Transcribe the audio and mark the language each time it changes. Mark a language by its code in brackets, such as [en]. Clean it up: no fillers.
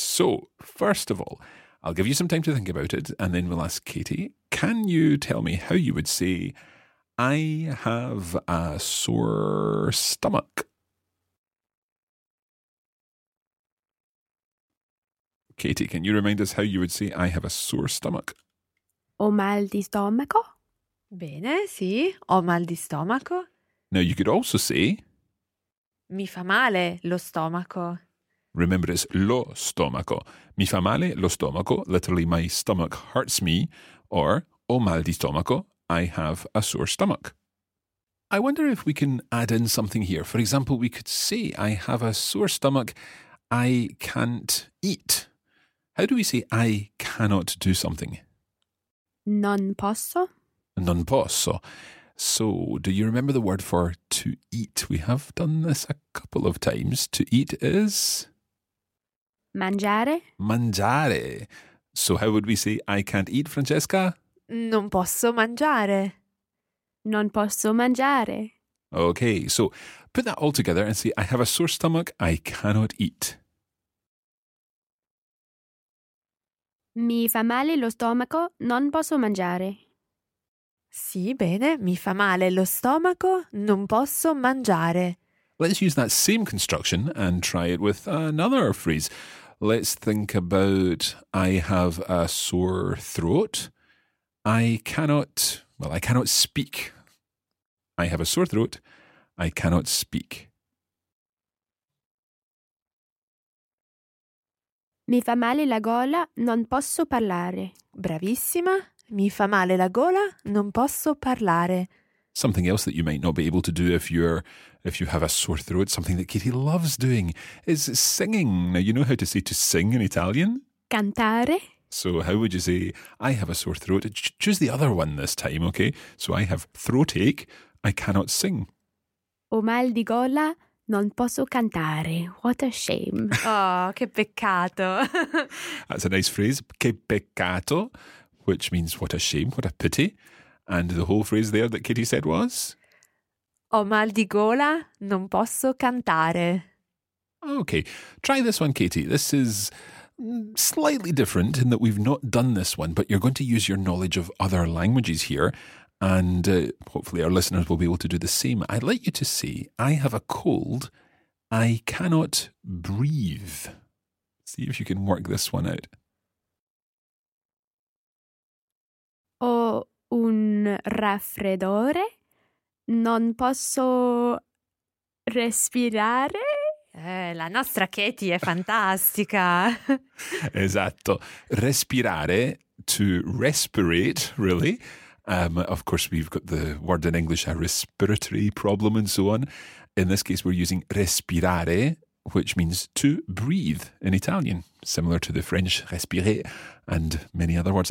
[en] So, first of all, I'll give you some time to think about it, and then we'll ask Katie, can you tell me how you would say, I have a sore stomach? Katie, can you remind us how you would say, I have a sore stomach? [it] Ho mal di stomaco. Bene, sì, ho mal di stomaco. [en] Now, you could also say, [it] mi fa male lo stomaco. [en] Remember, it's lo stomaco. [it] Mi fa male lo stomaco, [en] literally my stomach hurts me, or [it] o mal di stomaco, [en] I have a sore stomach. I wonder if we can add in something here. For example, we could say, I have a sore stomach, I can't eat. How do we say, I cannot do something? [it] Non posso. Non posso. [en] So, do you remember the word for to eat? We have done this a couple of times. To eat is... [it] Mangiare. Mangiare. [en] So how would we say, I can't eat, Francesca? [it] Non posso mangiare. Non posso mangiare. [en] Okay, so put that all together and say, I have a sore stomach, I cannot eat. [it] Mi fa male lo stomaco, non posso mangiare. Sì, bene, mi fa male lo stomaco, non posso mangiare. [en] Let's use that same construction and try it with another phrase. Let's think about, I have a sore throat. I cannot speak. I have a sore throat. I cannot speak. [it] Mi fa male la gola, non posso parlare. Bravissima. Mi fa male la gola, non posso parlare. [en] Something else that you might not be able to do if you have a sore throat, something that Katie loves doing, is singing. Now, you know how to say to sing in Italian? [it] Cantare. [en] So how would you say, I have a sore throat? Choose the other one this time, okay? So I have throat ache, I cannot sing. [it] Ho mal di gola, non posso cantare. [en] What a shame. [it] Oh, che peccato. [en] That's a nice phrase, [it] che peccato, [en] which means what a shame, what a pity. And the whole phrase there that Katie said was? [it] Ho mal di gola, non posso cantare. [en] Okay, try this one, Katie. This is slightly different in that we've not done this one, but you're going to use your knowledge of other languages here, and hopefully our listeners will be able to do the same. I'd like you to say, I have a cold, I cannot breathe. See if you can work this one out. Oh. [it] Un raffreddore, non posso respirare. La nostra Katie è fantastica. Esatto. Respirare, [en] to respirate, really. Of course, we've got the word in English, a respiratory problem and so on. In this case, we're using respirare, which means to breathe in Italian, similar to the French respirer and many other words.